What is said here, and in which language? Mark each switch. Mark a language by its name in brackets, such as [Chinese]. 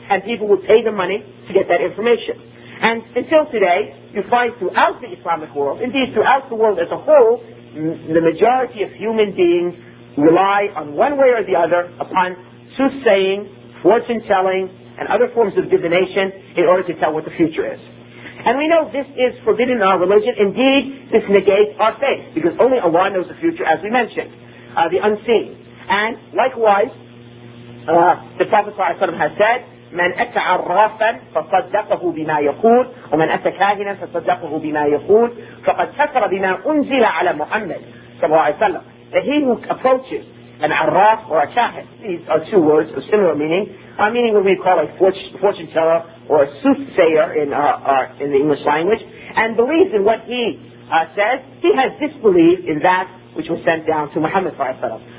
[English] And people would pay the money to get that information. And until today, you find throughout the Islamic world, indeed throughout the world as a whole, the majority of human beings rely on one way or the other upon soothsaying, fortune-telling, and other forms of divination in order to tell what the future is. And we know this is forbidden in our religion. Indeed, this negates our faith, because only Allah knows the future, as we mentioned, the unseen. And likewise, the Prophet ﷺ has said, [Arabic] من أتى عرافا فصدقه بما يقول ومن أتى كاهنا فصدقه بما يقول فقد كفر بما أنزل على محمد صلى الله عليه وسلم. [English] That he who approaches an عراف or a kahin, these are two words of similar meaning what we call a fortune teller or a soothsayer in the English language, and believes in what he says, he has disbelieved in that which was sent down to Muhammad صلى الله عليه وسلم.